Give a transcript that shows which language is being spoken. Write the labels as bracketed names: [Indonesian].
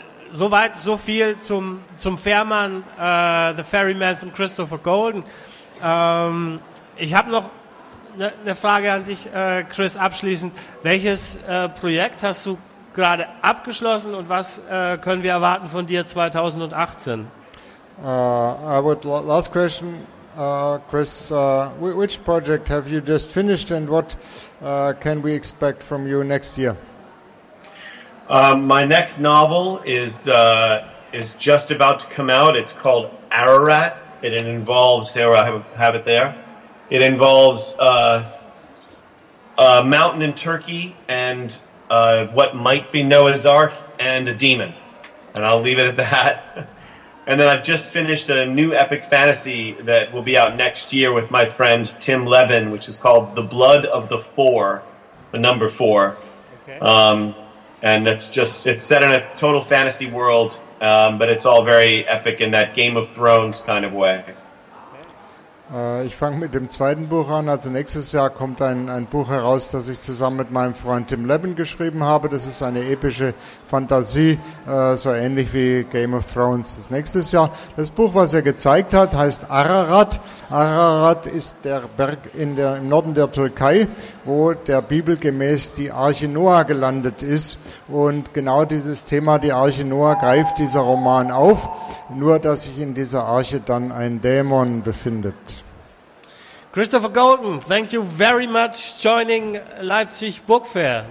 [German] Soweit so viel zum Fährmann, The Ferryman von Christopher Golden. Ich habe noch eine Frage an dich, Chris, abschließend. Welches Projekt hast du gerade abgeschlossen und was können wir erwarten von dir 2018? [English] Last question, Chris. Which project have you just finished and what can we expect from you next year? My next novel is just about to come out. It's called Ararat. It involves, here I have it there. It involves a mountain in Turkey and what might be Noah's Ark and a demon. And I'll leave it at that. And then I've just finished a new epic fantasy that will be out next year with my friend Tim Levin, which is called The Blood of the Four, the number four. Okay. And it's set in a total fantasy world, but it's all very epic in that Game of Thrones kind of way. [German] Ich fange mit dem zweiten Buch an. Also nächstes Jahr kommt ein Buch heraus, das ich zusammen mit meinem Freund Tim Levin geschrieben habe. Das ist eine epische Fantasie, so ähnlich wie Game of Thrones. Das nächste Jahr. Das Buch, was er gezeigt hat, heißt Ararat. Ararat ist der Berg im Norden der Türkei, wo der Bibel gemäß die Arche Noah gelandet ist. Und genau dieses Thema, die Arche Noah, greift dieser Roman auf. Nur, dass sich in dieser Arche dann ein Dämon befindet. [English] Christopher Golden, thank you very much joining Leipzig Book Fair.